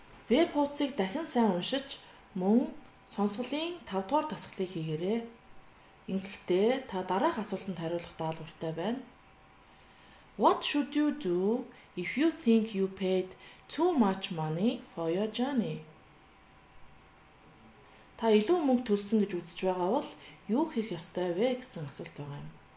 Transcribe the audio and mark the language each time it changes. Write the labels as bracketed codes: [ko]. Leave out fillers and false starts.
[mn] Веб хуудсыг дахин сайн уншиж, мөн сонсголын 5-р дасгалыг хийгээрэй. Ингэхдээ та дараах асуултанд хариулах даалгавартай байна. [en] What should you do if you think you paid too much money for your journey? [mn] Та илүү мөнгө төлсөн гэж үзэж байгаа бол юу хийх ёстой вэ гэсэн асуулт байгаа юм.